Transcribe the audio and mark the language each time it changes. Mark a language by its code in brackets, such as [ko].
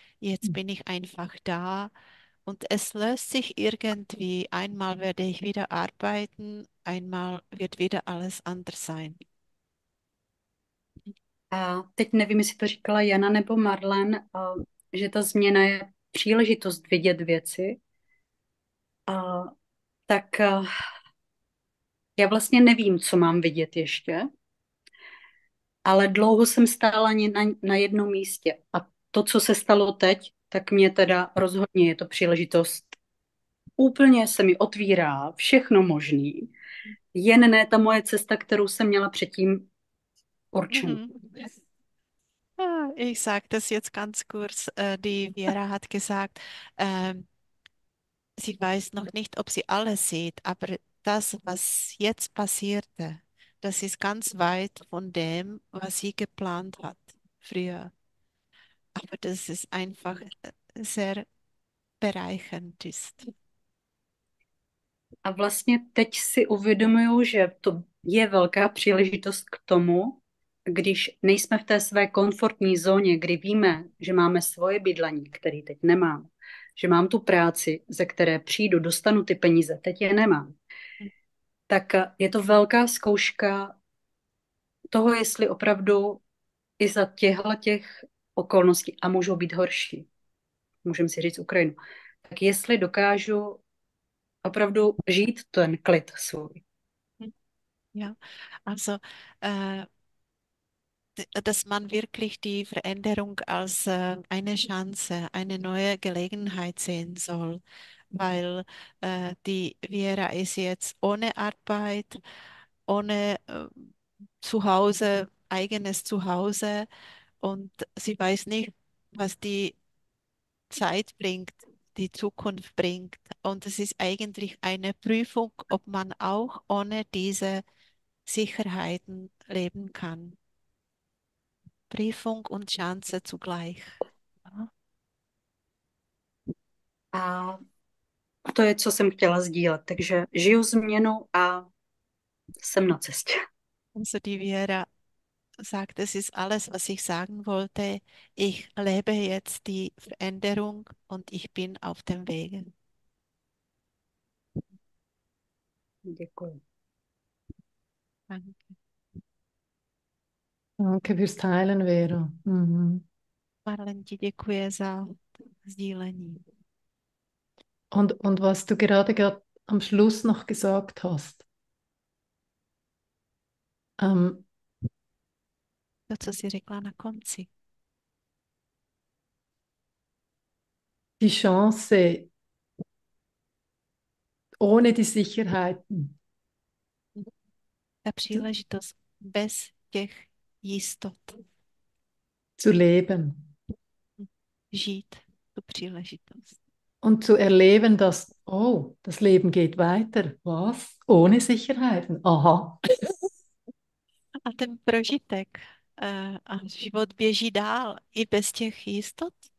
[de] Jetzt bin ich einfach da und es löst sich irgendwie. Einmal werde ich wieder arbeiten, einmal wird wieder alles anders sein. [cs] A teď nevím, jestli to říkala Jana nebo Marlen, že ta změna je příležitost vidět věci. Tak já vlastně nevím, co mám vidět ještě, ale dlouho jsem stála na jednom místě. A to, co se stalo teď, tak mě teda rozhodně je to příležitost. Úplně se mi otvírá všechno možný, jen ne ta moje cesta, kterou jsem měla předtím určenou. [de] Ich sage das jetzt ganz kurz. Die Vera hat gesagt, sie weiß noch nicht, ob sie alles sieht, aber das, was jetzt passierte, das ist ganz weit von dem, was sie geplant hat früher. Aber das ist einfach sehr bereichernd ist. [cs] A vlastně teď si uvědomuju, že to je velká příležitost k tomu, když nejsme v té své komfortní zóně, kdy víme, že máme svoje bydlení, které teď nemám, že mám tu práci, ze které přijdu, dostanu ty peníze, teď je nemám. Tak je to velká zkouška toho, jestli opravdu i za těchto těch okolností, a můžou být horší, můžeme si říct Ukrajinu, tak jestli dokážu opravdu žít ten klid svůj. [de] Ja, also, dass man wirklich die Veränderung als eine Chance, eine neue Gelegenheit sehen soll, weil die Vera ist jetzt ohne Arbeit, ohne Zuhause, eigenes Zuhause und sie weiß nicht, was die Zeit bringt, die Zukunft bringt. Und es ist eigentlich eine Prüfung, ob man auch ohne diese Sicherheiten leben kann. Prüfung und Chance zugleich. [cs] A to je, co jsem chtěla sdílet. Takže žiju změnu a jsem na cestě. [de] Also die Vera sagt, es ist alles, was ich sagen wollte. Ich lebe jetzt die Veränderung und ich bin auf dem Wege. [cs] Děkuji. [de] Danke. Danke fürs Teilen, Vera. [cs] Marlen, ti děkuji za sdílení. [de] Und was du gerade am Schluss noch gesagt hast. [cs] To, co jsi řekla na konci. [de] Die Chance ohne die Sicherheiten. [cs] Ta příležitost bez těch jistot. [de] Zu leben [cs] Žít tu příležitost. [de] und zu erleben, dass oh, das Leben geht weiter. Was? Ohne Sicherheiten. Aha. [cs] A ten prožitek a život běží dál i bez těch jistot.